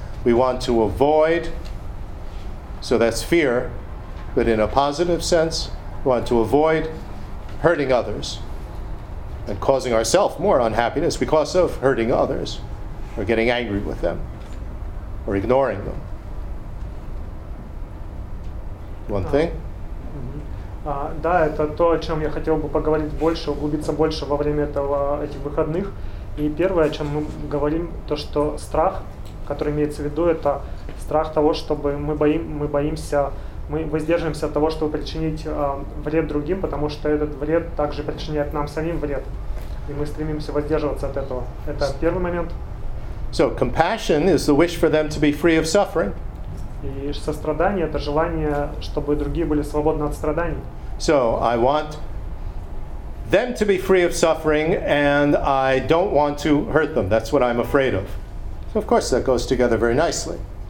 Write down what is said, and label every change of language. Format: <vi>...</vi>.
<en>We want to avoid, so that's fear, but in a positive sense, we want to avoid hurting others and causing ourselves more unhappiness because of hurting others or getting angry with them or ignoring them. one thing.</en> <ru>Да, это то, о чем я хотел бы поговорить больше, углубиться больше во время этих выходных. И первое, о чем мы говорим, то, что страх, который имеется в виду, это страх того, чтобы мы воздерживаемся от того, чтобы причинить вред другим, потому что этот вред также причиняет нам самим вред. И мы стремимся воздерживаться от этого. Это первый момент.</ru> <en>So, compassion is the wish for them to be free of suffering.</en> <ru>И сострадание — это желание, чтобы другие были свободны от страданий.</ru> <en>So, I want them to be free of suffering, and I don't want to hurt them. That's what I'm afraid of. So, of course, that goes together very nicely.</en>